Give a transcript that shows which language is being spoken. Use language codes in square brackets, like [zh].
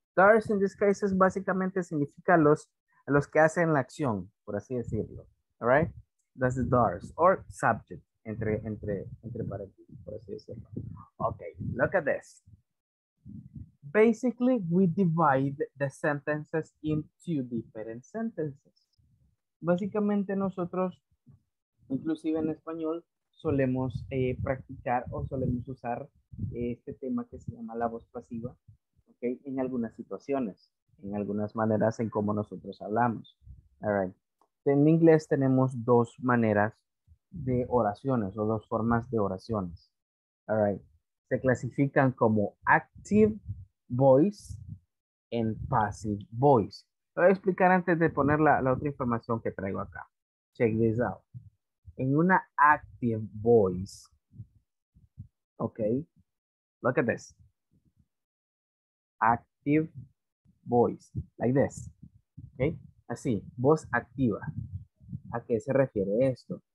[en] Doors in this case is [es] básicamente significa los que hacen la acción, por así decirlo. [en] All right. That's the doors or subject [es] entre paréntesis, por así decirlo. [en] Okay. Look at this. Basically, we divide the sentences into different sentences. [es] Básicamente nosotros, inclusive en español, solemos practicar o solemos usar este tema que se llama la voz pasiva, okay, en algunas situaciones, en algunas maneras en cómo nosotros hablamos. [en] All right. [es] En inglés tenemos dos maneras de oraciones o dos formas de oraciones. [en] All right. [es] Se clasifican como [en] active voice and passive voice. [es] Lo voy a explicar antes de poner la otra información que traigo acá. [en] Check this out. [es] En una [en] active voice, okay, look at this. Active voice, like this, okay? [es] Así, voz activa. ¿A qué se refiere esto?